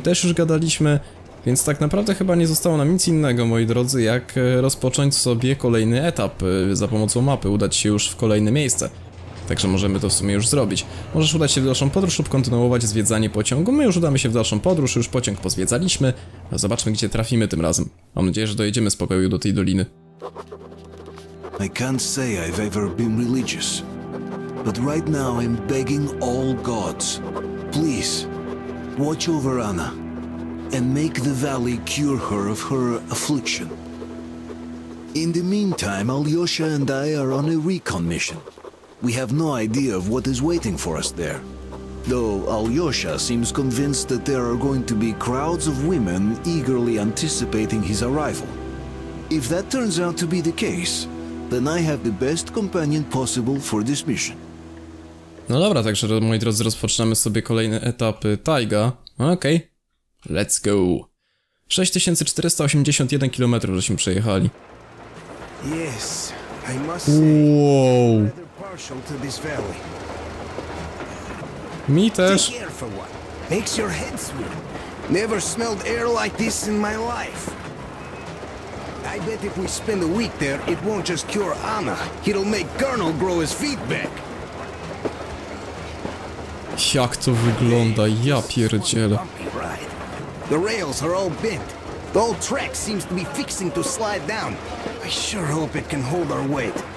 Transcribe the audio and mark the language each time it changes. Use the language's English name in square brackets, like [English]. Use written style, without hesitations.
[Polish] Też już gadaliśmy. Więc tak naprawdę chyba nie zostało nam nic innego, moi drodzy, jak rozpocząć sobie kolejny etap za pomocą mapy, udać się już w kolejne miejsce. Także możemy to w sumie już zrobić. Możesz udać się w dalszą podróż lub kontynuować zwiedzanie pociągu. My już udamy się w dalszą podróż, już pociąg pozwiedzaliśmy. Zobaczmy, gdzie trafimy tym razem. Mam nadzieję, że dojedziemy z pokoju do tej doliny. [English] I can't say I've ever been religious, but right now I'm begging all gods. Please, watch over Anna. And make the valley cure her of her affliction. In the meantime, Alyosha and I are on a recon mission. We have no idea of what is waiting for us there. Though Alyosha seems convinced that there are going to be crowds of women eagerly anticipating his arrival. If that turns out to be the case, then I have the best companion possible for this mission. [Polish] No dobra, także moi drodzy, rozpoczynamy sobie kolejny etap Taiga. Okej. [English] Let's go. [Polish] 6481 km żeśmy przejechali. [English] Yes, I must say, partial to this valley. [Polish] Mi też. [English] Makes your head swim. Never smelled air like this in my life. I bet if we spend a week there, it won't just cure Anna. It'll make Colonel grow his feet back. [Polish] Jak to wygląda, ja pierdzielę. [English] The rails are all bent. The whole track seems to be fixing to slide down. I sure hope it can hold our weight.